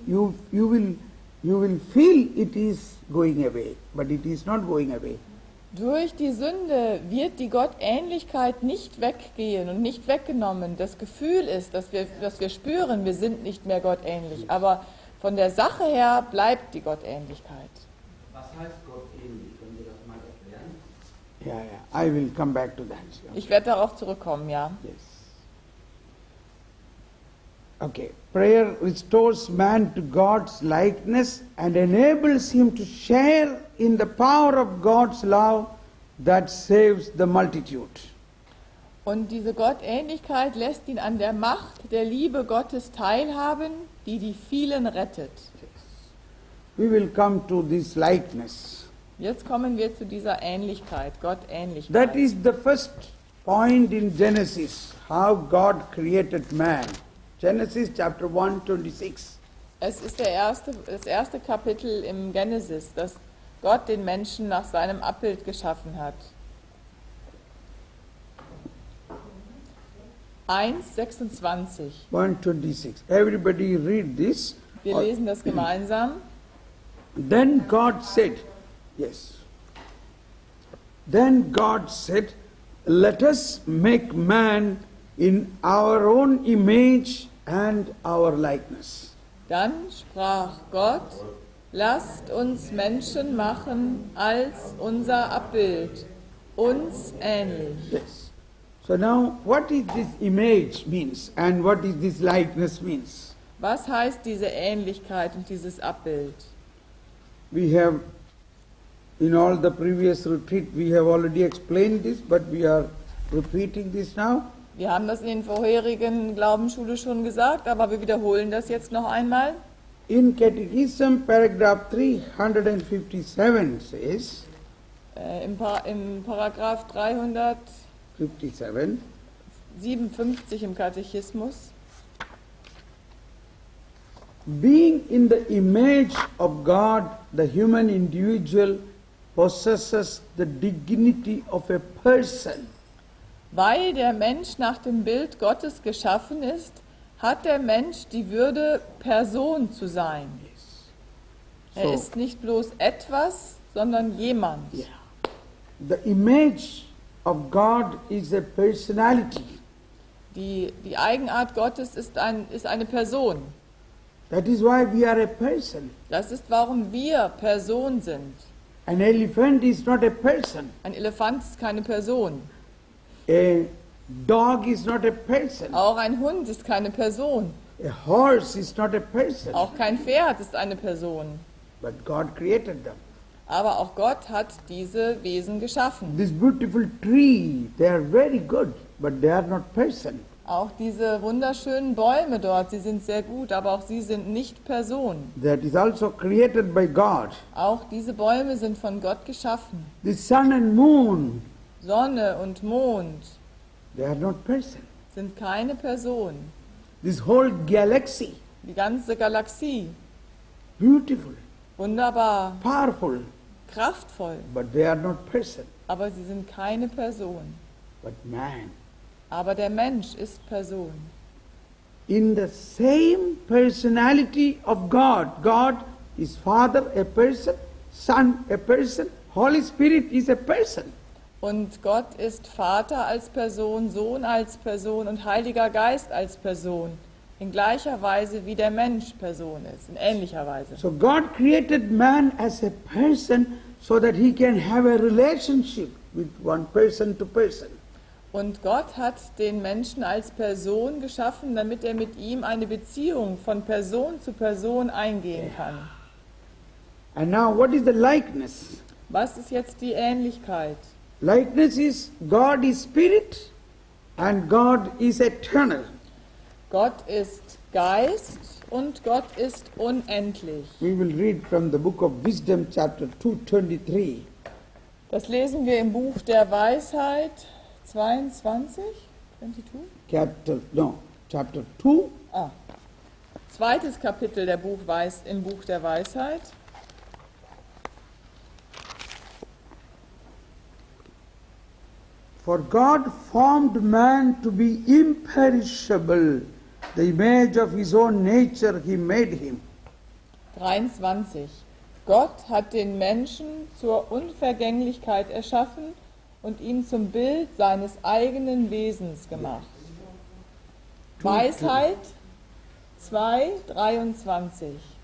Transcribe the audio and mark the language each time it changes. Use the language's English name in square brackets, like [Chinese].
[English] You will feel it is going away, but it is not going away. [German] Durch die Sünde wird die Gottähnlichkeit nicht weggehen und nicht weggenommen. Das Gefühl ist, dass wir spüren, wir sind nicht mehr gottähnlich. Aber von der Sache her bleibt die Gottähnlichkeit. Was heißt gottähnlich? Können wir das mal erklären? Ja. [English] I will come back to that. Okay. [German] Ich werde darauf zurückkommen, ja. [English] Yes. Okay. Prayer restores man to God's likeness and enables him to share in the power of God's love that saves the multitude. [German] Und diese Gottähnlichkeit lässt ihn an der Macht der Liebe Gottes teilhaben, die vielen rettet. [English] Yes. We will come to this likeness. [German] Jetzt kommen wir zu dieser Ähnlichkeit, Gottähnlichkeit. [English] That is the first point in Genesis, how God created man. Genesis chapter 1:26. [German] Es ist das erste Kapitel im Genesis, das Gott den Menschen nach seinem Abbild geschaffen hat. 1:26. [English] 1:26. Everybody read this. [German] Wir lesen das gemeinsam. [English] Then God said, yes. Then God said, let us make man in our own image and our likeness. [German] Dann sprach Gott, lasst uns Menschen machen als unser Abbild, uns ähnlich. [English] Yes. So now, what is this image means and what is this likeness means? [German] Was heißt diese Ähnlichkeit und dieses Abbild? [English] We have, in all the previous retreat, we have already explained this, but we are repeating this now. [German] Wir haben das in den vorherigen Glaubensschule schon gesagt, aber wir wiederholen das jetzt noch einmal. [English] In Catechism, paragraph 357 says, [German] im Paragraph 357 im Katechismus, [English] being in the image of God, the human individual possesses the dignity of a person. [German] Weil der Mensch nach dem Bild Gottes geschaffen ist, hat der Mensch die Würde, Person zu sein. [English] Yes. So, [German] er ist nicht bloß etwas, sondern jemand. [English] Yeah. The image of God is a personality. [German] Die Eigenart Gottes ist eine Person. [English] That is why we are a person. [German] Das ist, warum wir Person sind. [English] An elephant is not a person. [German] Ein Elefant ist keine Person. [English] A dog is not a person. [German] Auch ein Hund ist keine Person. [English] A horse is not a person. [German] Auch kein Pferd ist eine Person. [English] But God created them. [German] Aber auch Gott hat diese Wesen geschaffen. [English] This beautiful tree, they are very good, but they are not person. [German] Auch diese wunderschönen Bäume dort, sie sind sehr gut, aber auch sie sind nicht Person. [English] That is also created by God. [German] Auch diese Bäume sind von Gott geschaffen. [English] The sun and moon. [German] Sonne und Mond [English] They are not person. [German] Sind keine Person. [English] This whole galaxy. [German] Die ganze Galaxie. [English] Beautiful. [German] Wunderbar. [English] Powerful. [German] Kraftvoll. [English] But they are not person. [German] Aber sie sind keine Person. [English] But man. [German] Aber der Mensch ist Person. [English] In the same personality of God, God is Father, a person, Son, a person, Holy Spirit is a person. [German] Und Gott ist Vater als Person, Sohn als Person und Heiliger Geist als Person, in gleicher Weise wie der Mensch Person ist, in ähnlicher Weise. [English] So God created man as a person so that he can have a relationship with one person to person. [German] Und Gott hat den Menschen als Person geschaffen, damit er mit ihm eine Beziehung von Person zu Person eingehen kann. [English] And now what is the likeness? [German] Was ist jetzt die Ähnlichkeit? [English] Likeness is God is spirit and God is eternal. [German] Gott ist Geist und Gott ist unendlich. [English] We will read from the book of Wisdom chapter 223. [German] Das lesen wir im Buch der Weisheit 22, 22? [English] Chapter 2. Ah. [German] Zweites Kapitel der Buch Weis im Buch der Weisheit. [English] For God formed man to be imperishable, the image of his own nature he made him. 23. [German] Gott hat den Menschen zur Unvergänglichkeit erschaffen und ihn zum Bild seines eigenen Wesens gemacht. Weisheit 2, 23.